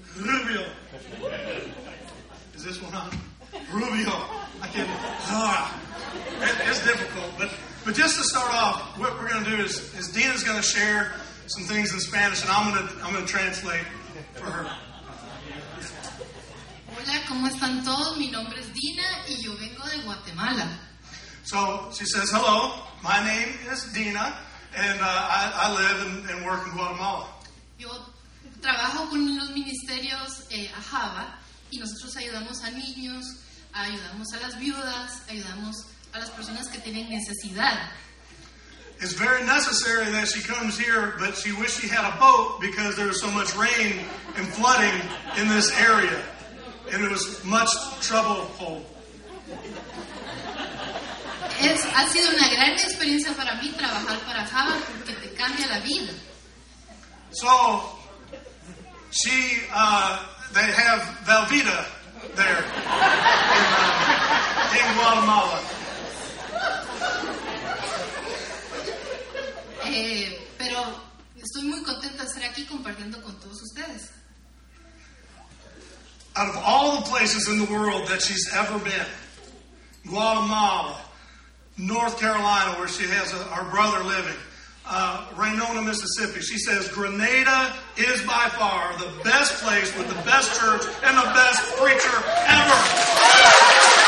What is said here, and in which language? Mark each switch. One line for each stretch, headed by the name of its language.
English: Rubio. Is this one on? Rubio. I can't. It's difficult. But just to start off, what we're going to do is Dina's going to share some things in Spanish, and I'm going to translate for her.
Spanish: Hola, ¿cómo están todos? Mi nombre es Dina, y yo vengo de Guatemala.
English: So she says, hello, my name is Dina, and I live and work in Guatemala.
Spanish: Yo trabajo con los ministerios AJAVA, y nosotros ayudamos a niños, ayudamos a las viudas, ayudamos a las personas que tienen necesidad.
English: It's very necessary that she comes here, but she wished she had a boat because there was so much rain and flooding in this area. And it was much trouble.
Spanish: Ha sido una gran experiencia para mí trabajar para Java porque te cambia la vida.
English: So, they have Velveeta there in Guatemala.
Spanish: Pero estoy muy contenta de estar aquí compartiendo con todos ustedes.
English: Out of all the places in the world that she's ever been, Guatemala, North Carolina, where she has our brother living, Raynona, Mississippi, she says Grenada is by far the best place with the best church and the best preacher ever.